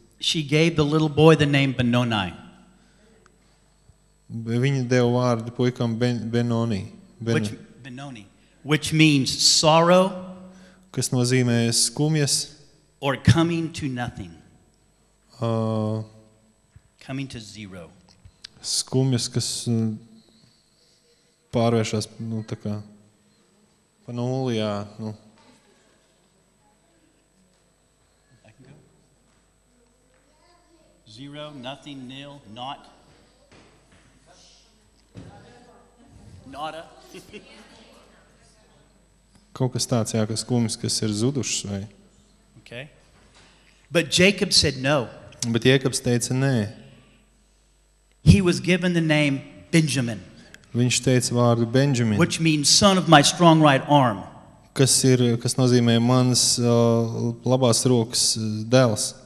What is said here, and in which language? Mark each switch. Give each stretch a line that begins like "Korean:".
English: She gave the little boy the name Benoni.
Latvian: Viņa deva vārdu puikam Benoni.
English: Benoni. Which means sorrow.
Latvian: Kas nozīmē skumjas.
English: Or coming to nothing. Coming to zero.
Latvian: Skumjas, kas pārvēršas, nu, tā kā, pa nulli, jā, nu.
English: Zero, nothing, nil, not.
Latvian: Kaut kas tāds, jā, kas kumis, kas ir zudušs, vai?
English: Okay. But Jacob said no.
Latvian: Bet Jēkabs teica nē.
English: He was given the name Benjamin.
Latvian: Viņš teica vārdu Benjamin.
English: Which means son of my strong right arm.
Latvian: Kas nozīmē mans labās rokas dēls.